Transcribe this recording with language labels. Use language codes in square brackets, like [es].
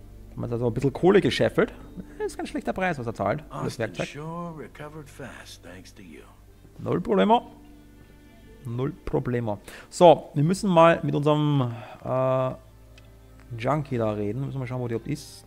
[de] Haben wir also ein bisschen Kohle gescheffelt. Ist kein schlechter Preis, was er zahlt. Das Werkzeug. [en] Sure recovered fast, thanks to you. [de] Null Problemo. Null Problemo. So, wir müssen mal mit unserem Junkie da reden. Müssen wir schauen, wo die ist.